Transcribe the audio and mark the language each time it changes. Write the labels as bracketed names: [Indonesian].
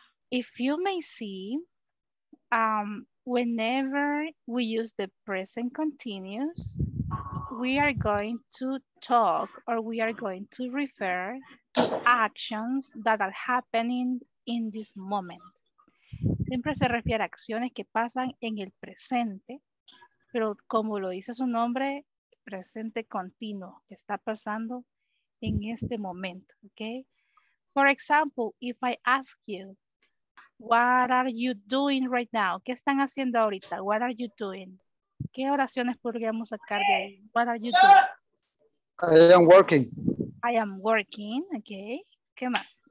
[English] If you may see, whenever we use the present continuous, we are going to talk or we are going to refer to actions that are happening in this moment. [Spanish] Siempre se refiere a acciones que pasan en el presente, pero como lo dice su nombre, presente continuo, que está pasando en este momento, okay? [English] For example, if I ask you, what are you doing right now? [Spanish] ¿Qué están haciendo ahorita? [English] What are you doing? [Spanish] ¿Qué oraciones podríamos sacar de ahí? [English] What are you doing? I am working. I am working, okay. [Spanish] ¿Qué más?